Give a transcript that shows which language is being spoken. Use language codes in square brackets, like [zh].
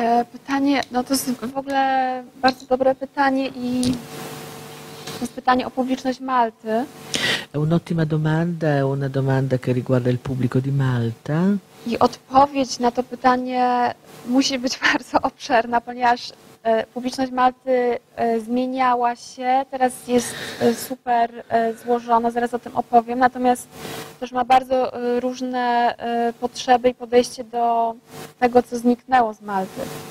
[pl] Pytanie, no to jest w ogóle bardzo dobre pytanie i to jest pytanie o publiczność Malty. [it] È un'ottima domanda, è una domanda che riguarda il pubblico di Malta. [pl] I odpowiedź na to pytanie musi być bardzo obszerna, ponieważ publiczność Malty zmieniała się, teraz jest super złożona, zaraz o tym opowiem, natomiast też ma bardzo różne potrzeby i podejście do tego, co zniknęło z Malty.